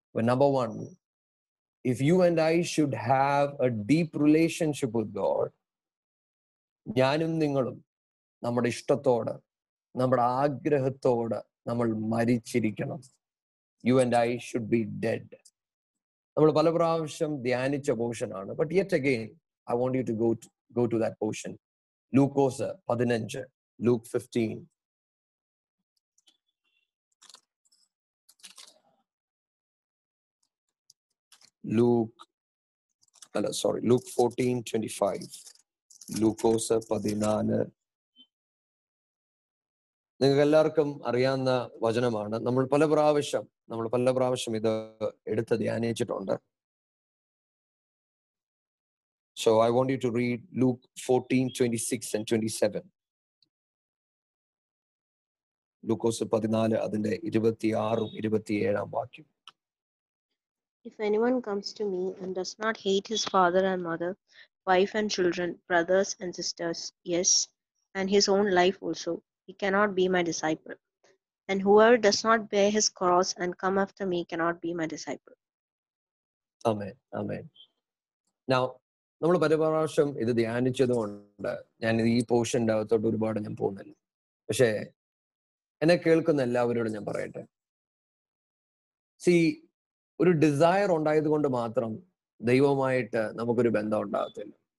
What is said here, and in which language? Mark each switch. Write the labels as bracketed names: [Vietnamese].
[English] number one, if you and I should have a deep relationship with God, [Malayalam] ഞാനും നിങ്ങളും നമ്മുടെ ഇഷ്ടത്തോട്, നമ്മുടെ ആഗ്രഹത്തോട് നമ്മൾ മരിച്ചിരിക്കണം. [English] You and I should be dead. [Malayalam] നമ്മൾ പല പ്രാവശ്യം ധ്യാനിച്ച പോർഷൻ ആണ്. [English] But yet again, I want you to go to that portion. Lucas 15, Luke 15. Luke 14, 25. Lucas 14. [Malayalam] നിങ്ങൾക്ക് എല്ലാവർക്കും അറിയാവുന്ന വചനമാണ്. നമ്മൾ പല പ്രാവശ്യം ഇത് എടുത്ത് ധ്യാനിച്ചിട്ടുണ്ട്. [English] So I want you to read Luke 14:26-27. [Malayalam] ലൂക്കോസ് 14 അതിന്റെ 26-27 വാക്യം. [English] If anyone comes to me and does not hate his father and mother, wife and children, brothers and sisters, yes, and his own life also, he cannot be my disciple. And whoever does not bear his cross and come after me cannot be my disciple. Amen. Amen. [Malayalam] Now, നമ്മൾ പരിപാടിയും ഇത് ധ്യാനിച്ചതുകൊണ്ട് ഞാൻ ഈ പോർഷന്റെ അകത്തോട്ട് ഒരുപാട് ഞാൻ പോകുന്നില്ല. പക്ഷേ എന്നെ കേൾക്കുന്ന എല്ലാവരോടും ഞാൻ പറയട്ടെ, ഒരു ഡിസയർ ഉണ്ടായതുകൊണ്ട് മാത്രം ദൈവവുമായിട്ട് നമുക്കൊരു ബന്ധം ഉണ്ടാകത്തില്ല.